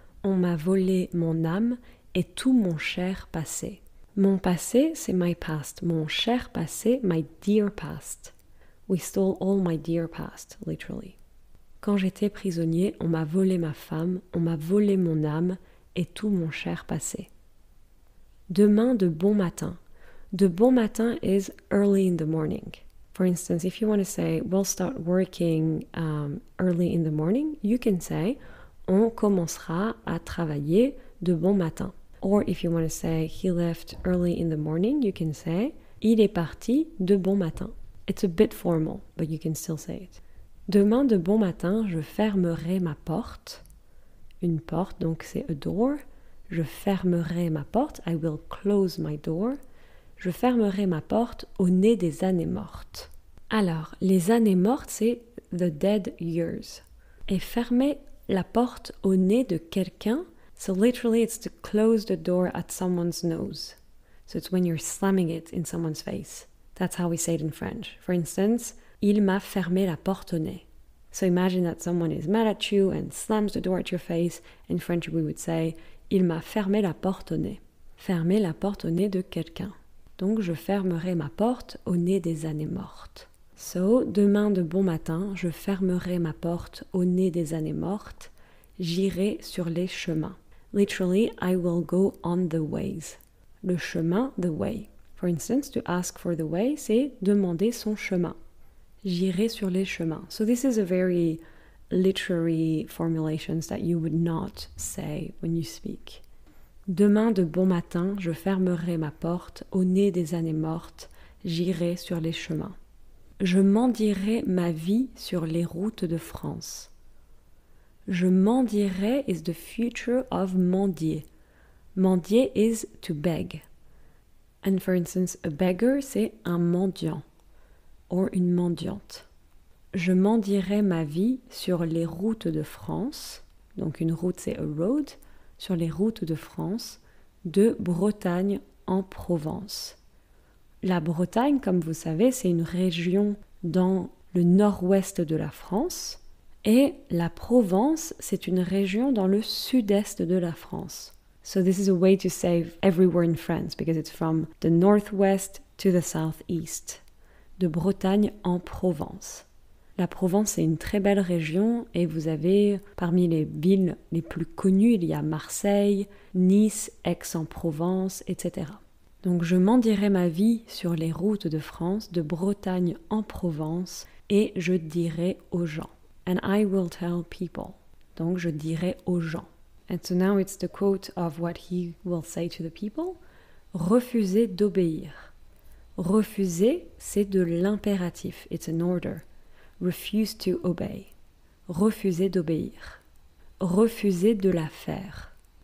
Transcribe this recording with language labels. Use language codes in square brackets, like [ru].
[fr] On m'a volé mon âme et tout mon cher passé. Mon passé, c'est [en] my past. [fr] Mon cher passé, [en] my dear past. We stole all my dear past, literally. [fr] Quand j'étais prisonnier, on m'a volé ma femme, on m'a volé mon âme et tout mon cher passé. Demain de bon matin. De bon matin [en] is early in the morning. For instance, if you want to say we'll start working early in the morning, you can say [fr] on commencera à travailler de bon matin. [en] Or if you want to say he left early in the morning, you can say [fr] il est parti de bon matin. [en] It's a bit formal, but you can still say it. [fr] Demain de bon matin, je fermerai ma porte. Une porte, donc c'est [en] a door. [fr] Je fermerai ma porte. [en] I will close my door. [fr] Je fermerai ma porte au nez des années mortes. Alors, les années mortes, c'est [en] the dead years. [fr] Et fermer la porte au nez de quelqu'un. [en] So literally, it's to close the door at someone's nose. So it's when you're slamming it in someone's face. That's how we say it in French. For instance, [fr] il m'a fermé la porte au nez. [en] So imagine that someone is mad at you and slams the door at your face. In French, we would say, [fr] il m'a fermé la porte au nez. Fermer la porte au nez de quelqu'un. Donc, je fermerai ma porte au nez des années mortes. So, demain de bon matin, je fermerai ma porte au nez des années mortes. J'irai sur les chemins. [en] Literally, I will go on the ways. [fr] Le chemin, [en] the way. For instance, to ask for the way, [fr] c'est demander son chemin. J'irai sur les chemins. [en] So this is a very literary formulation that you would not say when you speak. [fr] Demain de bon matin, je fermerai ma porte au nez des années mortes. J'irai sur les chemins. Je mendierai ma vie sur les routes de France. [en] Je mendierai is the future of mendier. Mendier is to beg. And for instance, a beggar, [fr] c'est un mendiant or une mendiante. Je mendierai ma vie sur les routes de France. Donc une route, c'est [en] a road. [fr] Sur les routes de France, de Bretagne en Provence. La Bretagne, comme vous savez, c'est une région dans le nord-ouest de la France. Et la Provence, c'est une région dans le sud-est de la France. [en] So this is a way to say everywhere in France because it's from the northwest to the southeast. [fr] De Bretagne en Provence. La Provence est une très belle région et vous avez parmi les villes les plus connues, il y a Marseille, Nice, Aix-en-Provence, etc. Donc je mendierai ma vie sur les routes de France, de Bretagne en Provence et je dirai aux gens. [en] And I will tell people. [fr] Donc je dirai aux gens. [en] And so now it's the quote of what he will say to the people. [fr] Refuser d'obéir. Refuser, c'est de l'impératif. [en] It's an order. Refuse to obey. [fr] Refuser d'obéir. Refuser de la faire.